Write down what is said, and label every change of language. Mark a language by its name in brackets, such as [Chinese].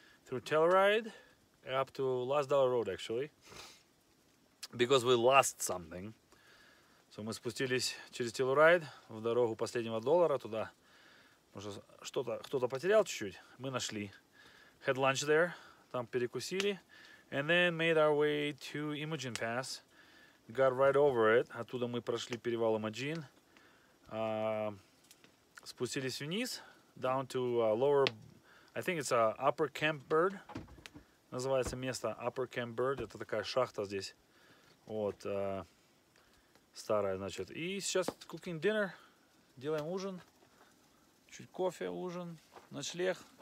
[English] Through Telluride. Up to Last Dollar Road, actually. Because we lost something. So [Russian] мы спустились через Telluride. В дорогу последнего доллара туда. Может, что-то, кто-то потерял чуть-чуть. Мы нашли. [English] Had lunch there. [Russian] Там перекусили. [English] And then made our way to Imogene Pass. Got right over it. [Russian] Оттуда мы прошли перевал Imogene. Спустились вниз. [English] down to lower, I think it's a upper camp bird. [Russian] Называется место upper camp bird. Это такая шахта здесь. Вот, старая, значит. И сейчас [English] cooking dinner. [Russian] Делаем ужин. Чуть кофе, ужин. Ночлег.